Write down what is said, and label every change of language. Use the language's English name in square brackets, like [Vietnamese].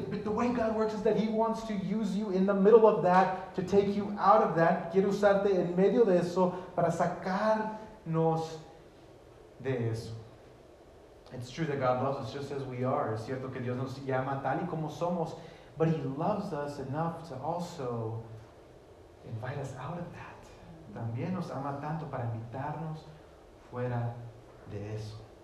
[English] But the way God works is that He wants to use you in the middle of that, to take you out of that. [Spanish] Quiere usarte en medio de eso para sacarnos de eso. [English] It's true that God loves us just as we are. [Spanish] Es cierto que Dios nos llama tal y como somos. [English] But He loves us enough to also invite us out of that. [Spanish] También nos ama tanto para invitarnos fuera de eso.